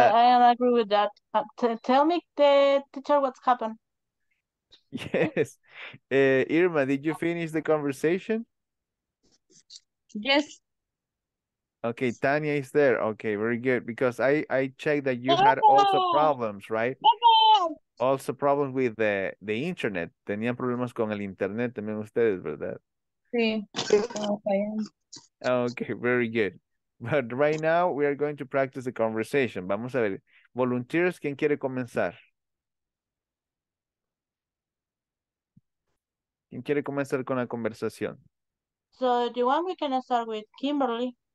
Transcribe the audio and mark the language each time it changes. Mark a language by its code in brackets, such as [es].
[en] I agree with that. Tell me, teacher, what's happened. Yes. Irma, did you finish the conversation? Yes. Okay, Tanya is there. Okay, very good. Because I checked that you had also problems, right? Also problems with the internet. [es] Tenían problemas con el internet también ustedes, ¿verdad? Sí. [en] Okay, very good. But right now, we are going to practice the conversation. [es] Vamos a ver. Volunteers, ¿quién quiere comenzar? ¿Quién quiere comenzar con la conversación? [en] So, do you want me to start with Kimberly?